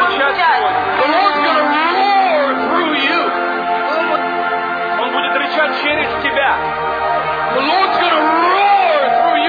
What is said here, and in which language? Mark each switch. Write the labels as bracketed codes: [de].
[en] The Lord's gonna roar through you. [ru] Он будет рычать через тебя. [en] The Lord's gonna roar through you.